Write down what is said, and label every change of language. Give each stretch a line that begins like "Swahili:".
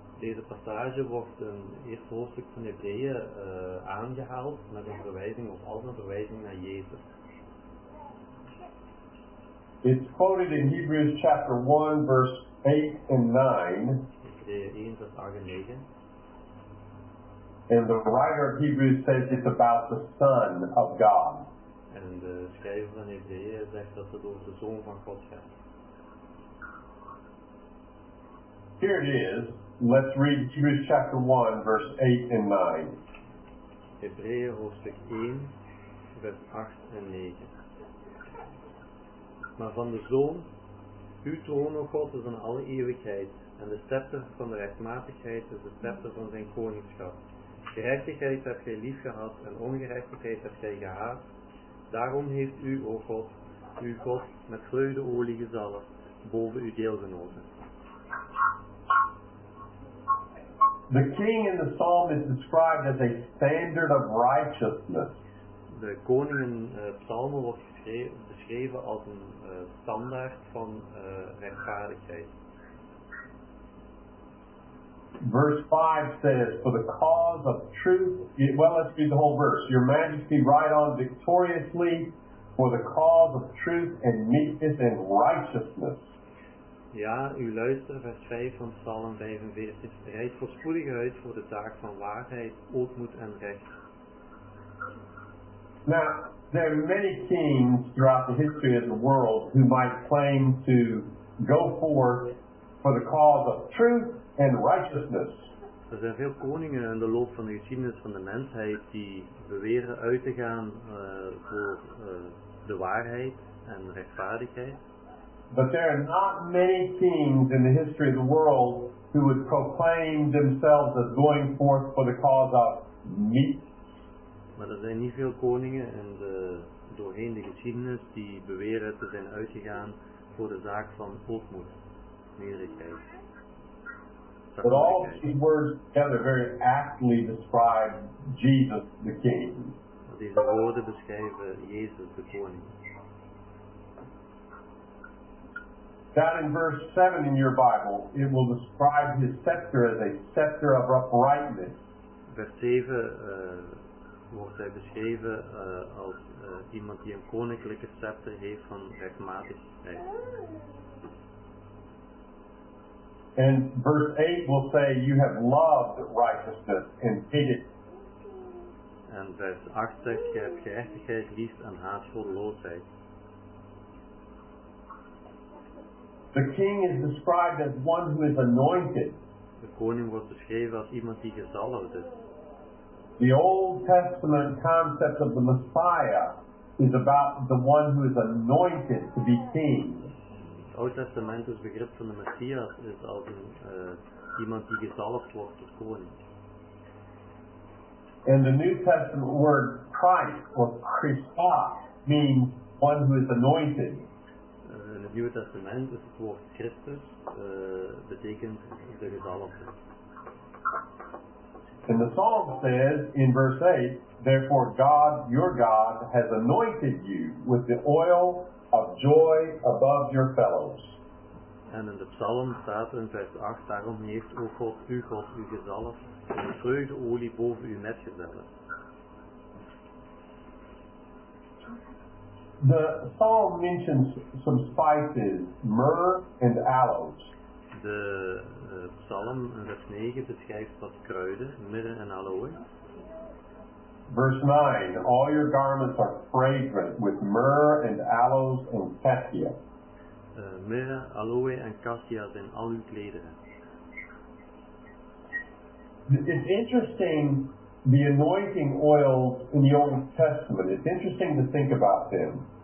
Dutch: Deze passage wordt in het eerste hoofdstuk van Hebreeën aangehaald met een verwijzing of als een verwijzing naar Jezus.
English: It's quoted in Hebrews chapter 1, verse 8 and 9.
Dutch: Hebreeën 1, vers 8 en 9.
English: And the writer of Hebrews says it's about the Son of God.
Dutch: En de schrijver van Hebreeën zegt dat het over de Zoon van God gaat.
English: Here it is. Let's read Hebrews chapter 1, verse 8 and 9.
Dutch: Hebreeën hoofdstuk 1, vers 8 en 9. Maar van de Zoon, uw troon, o God, is van alle eeuwigheid, en de scepter van de rechtmatigheid is de scepter van zijn koningschap. Gerechtigheid hebt gij lief gehad en ongerechtigheid hebt gij gehaat. Daarom heeft u, o God, uw God met vreugdeolie gezalfd boven uw deelgenoten.
English: The king in the psalm is described as a standard of righteousness.
Dutch: De koning in psalmen wordt beschreven als een standaard van rechtvaardigheid.
English: Verse 5 says, for the cause of truth, well, let's read the whole verse. Your majesty ride on victoriously for the cause of truth and meekness and righteousness.
Dutch: Ja, u luistert, vers 5 van Psalm 45. Rijd voorspoedig uit voor de taak van waarheid, ootmoed en recht.
English: Now, there are many kings throughout the history of the world who might claim to go forth for the cause of truth and righteousness.
Dutch: Er zijn veel koningen in de loop van de geschiedenis van de mensheid die beweren uit te gaan voor de waarheid en rechtvaardigheid.
English: But there are not many kings in the history of the world who would proclaim themselves as going forth for the cause of meat.
Dutch: Maar er zijn niet veel koningen in de doorheen de geschiedenis die beweren te zijn uitgegaan voor de zaak van hoogmoed, nederigheid.
English: But all these words together very aptly describe Jesus the King.
Dutch: Deze woorden beschrijven Jezus de koning.
English: Down in verse 7 in your Bible, it will describe his scepter as a scepter of uprightness.
Dutch: Vers 7 wordt hij beschreven als iemand die een koninklijke scepter heeft van rechtmatigheid.
English: And verse 8 will say, you have loved righteousness and hated.
Dutch: En vers 8 zegt, je hebt gerechtigheid lief en haat goddeloosheid.
English: The king is described as one who is anointed.
Dutch: De koning wordt beschreven als iemand die gezalfd is.
English: The Old Testament concept of the Messiah is about the one who is anointed to be king.
Dutch: Het Oude Testament is begrip van de Messias is als een iemand die gezalfd wordt tot koning.
English: And the New Testament word Christ or Christos means one who is anointed.
Dutch: In het Nieuwe Testament is het woord Christus betekent de gezalfde.
English: And the Psalm says in verse 8, therefore God, your God, has anointed you with the oil of joy above your fellows.
Dutch: En in de Psalm staat in vers 8, daarom heeft ook God, uw God, u gezalfd en vreugdeolie boven uw metgezellen.
English: The Psalm mentions some spices, myrrh and aloes.
Dutch: De Psalm in vers 9 beschrijft wat kruiden, myrrh en aloe.
English: Verse 9, all your garments are fragrant with myrrh and aloes and cassia.
Dutch: Myrrh, aloe en cassia zijn al uw klederen.
English: It's interesting, the anointing oils in the Old Testament. It's interesting to think about them.